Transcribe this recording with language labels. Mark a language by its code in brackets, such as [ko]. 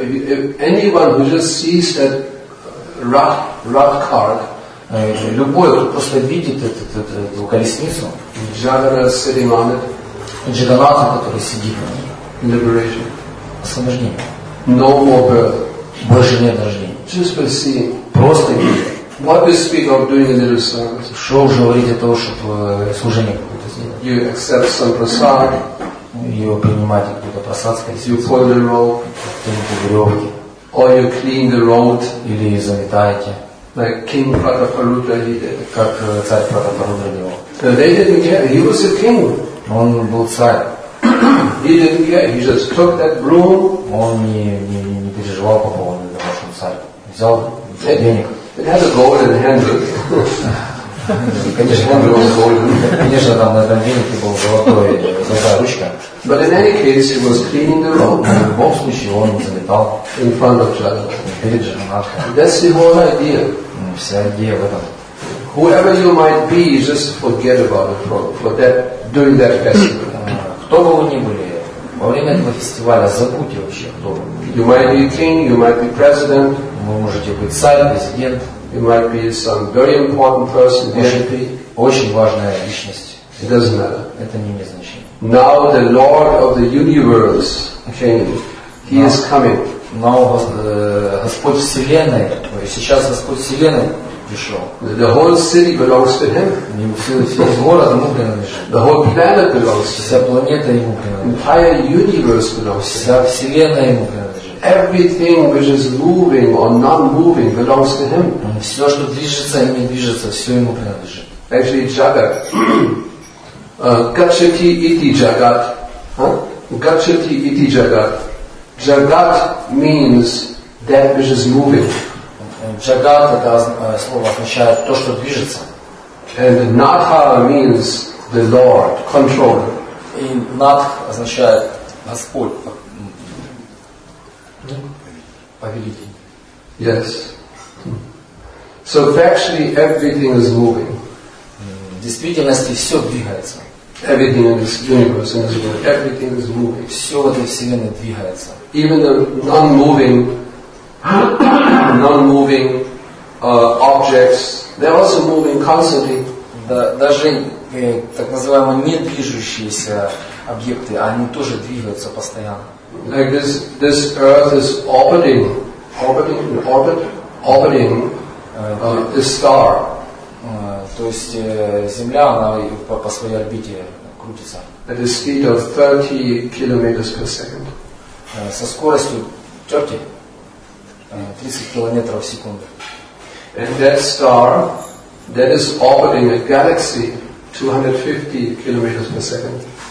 [en] If anyone who just sees that rat card, [ru] любой, кто просто видит эту колесницу, [en] Jagannath sitting on it, [ru] Джаганатха, который сидит на ней. [en] Liberation. [ru] Освобождение. [en] No more birth. [ru] Больше нет рождения. [en] Just by seeing. [ru] Просто видеть. [en] What do you speak of doing a little service? [ru] Что уже говорить о том, чтобы служение какое-то сделать? [en] You accept some prasad. [ru] Ее принимать какую-то прасадское сердце. [en] You pull the rope. [ru] Тяните веревки. [en] Or you clean the road. [ru] Или заметаете. [en] Like King Prataparudra he did. [ru] Как царь Прataparudra делал. [en] So they didn't care. He was a king. [ru] Он был царь. [en] He didn't care. He just took that broom. [ru] Он не переживал по поводу того, что он царь. Взял денег. [en] It had a golden handle. [ru] Конечно, [en] handle was golden. [ru] Конечно, там на этом венике был золотая ручка. [en] But in any case, he was cleaning the robe. [ru] В любом случае, он заметал. [en] In front of Jagannath. [ru] Перед Джаганатхой. [en] That's the whole idea. [ru] Вся идея в этом. [en] Whoever you might be, just forget about it for that. During that festival. [ru] Кто бы вы ни были, во время этого фестиваля забудьте вообще, кто вы. [en] You might be king, you might be president. [ru] Вы можете быть царь, президент. [en] You might be some very important person. [ru] Очень важная личность. [en] It doesn't matter. [ru] Это не имеет значения. [en] Now the Lord of the universe came. He is coming. Now [ru] Господь Вселенной, то есть сейчас Господь Вселенной, пришел. [en] The whole city belongs to him. The whole planet belongs to him. [ru] Вся планета ему принадлежит. [en] The entire universe belongs to him. [ru] Вся вселенная ему принадлежит. [en] Everything which is moving or non-moving belongs to him. [ru] Все, что движется и не движется, все ему принадлежит. [en] Actually, [sa] jagat. Gacchati iti jagat. Gacchati iti jagat. [en] Jagat means that which is moving. [ru] Джагат – это слово означает то, что движется. [en] And Natha means the Lord, controller. [ru] И Натх означает Господь. повелитель. [en] Yes. So actually everything is moving. [ru] В действительности все двигается. [en] Everything in this universe and this world, everything is moving. [ru] Все в этой вселенной двигается. [en] Even the non-moving, non-moving objects, they're also moving constantly. [ru] Даже так называемые недвижущиеся объекты, они тоже двигаются постоянно. [en] Like this Earth is orbiting this star. [ru] То есть Земля, она по своей орбите крутится. [en] At a speed of 30 kilometers per second. [ru] Со скоростью 30 километров в секунду. [en] And that star, that is orbiting a galaxy 250 kilometers per second.